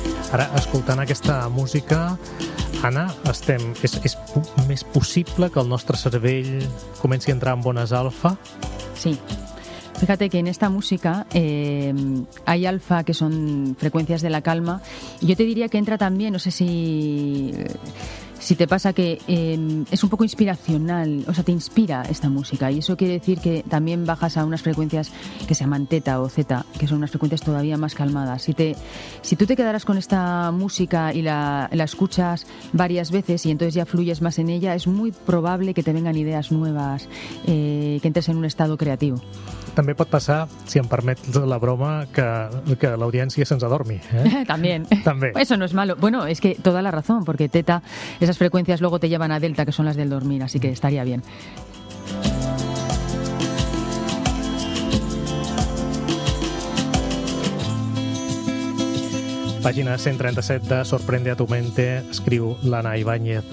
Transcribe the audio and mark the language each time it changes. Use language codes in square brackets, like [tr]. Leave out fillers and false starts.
[ca] Ara, escoltant aquesta música, Anna, és més possible que el nostre cervell comenci a entrar en bones alfa? Sí. [es] Fíjate que en esta música hay alfa, que son frecuencias de la calma. Yo te diría que entra también, no sé si te pasa, que es un poco inspiracional, o sea, te inspira esta música. Y eso quiere decir que también bajas a unas frecuencias que se llaman teta o zeta, que son unas frecuencias todavía más calmadas. Si tú te quedaras con esta música y la escuchas varias veces y entonces ya fluyes más en ella, es muy probable que te vengan ideas nuevas, que entres en un estado creativo. [ca] També pot passar, si em permets la broma, que l'audiència se'ns adormi. També. [es] Eso no es malo. Bueno, es que toda la razón, porque teta, esas frecuencias luego te llevan a delta, que son las del dormir, así que estaría bien. [ca] Página 137 de Sorprende a tu mente, escriu l'Anna Ibáñez.